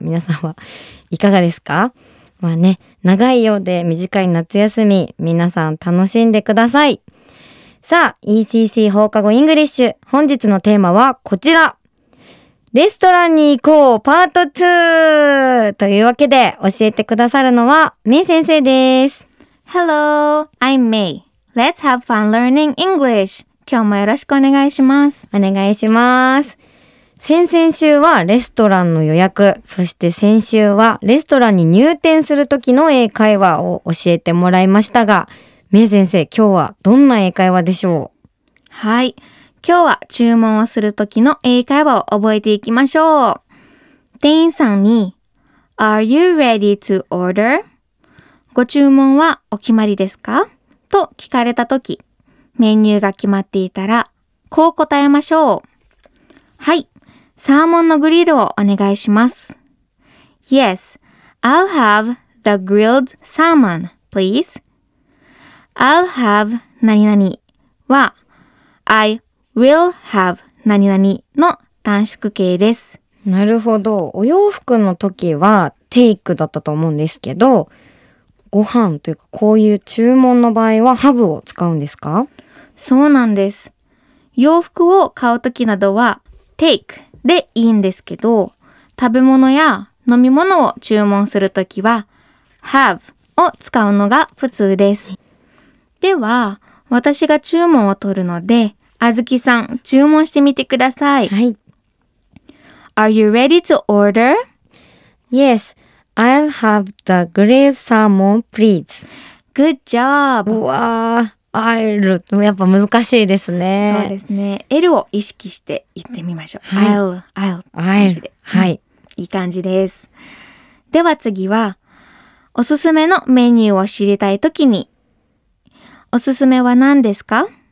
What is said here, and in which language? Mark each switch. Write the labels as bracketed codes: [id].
[ja] 皆さんはいかがですか。まあね長いようで短い夏休み、皆さん楽しんでください。さあ ECC 放課後イングリッシュ、本日のテーマはこちら、レストランに行こうパート2。というわけで教えてくださるのはメイ先生です。 [en] Hello, I'm May. Let's have fun learning English. [ja] 今日もよろしくお願いします。お願いします。先々週はレストランの予約、そして先週はレストランに入店する時の英会話を教えてもらいましたが、メイ先生今日はどんな英会話でしょう。はい、今日は注文をする時の英会話を覚えていきましょう。店員さんに [en] Are you ready to order? [ja] ご注文はお決まりですか?と聞かれた時、メニューが決まっていたらこう答えましょう。はい、サーモンのグリルをお願いします。 [en] Yes, I'll have the grilled salmon, please. I'll have [ja] 何々は [en] I will have [ja] 何々の短縮形です。なるほど。お洋服の時は take だったと思うんですけど、ご飯というかこういう注文の場合は have を使うんですか。そうなんです。洋服を買う時などは take でいいんですけど、食べ物や飲み物を注文する時は have を使うのが普通です。では私が注文を取るので、あずきさん注文してみてください。はい。 [en] Are you ready to order? Yes, I'll have the grilled salmon, please. Good job. [ja] わあ、 [en] I'll [ja] やっぱ難しいですね。そうですね、 L を意識して言ってみましょう。 [en] I'll [ja] はい、いい感じです。では次はおすすめのメニューを知りたいときに、おすすめは何ですか。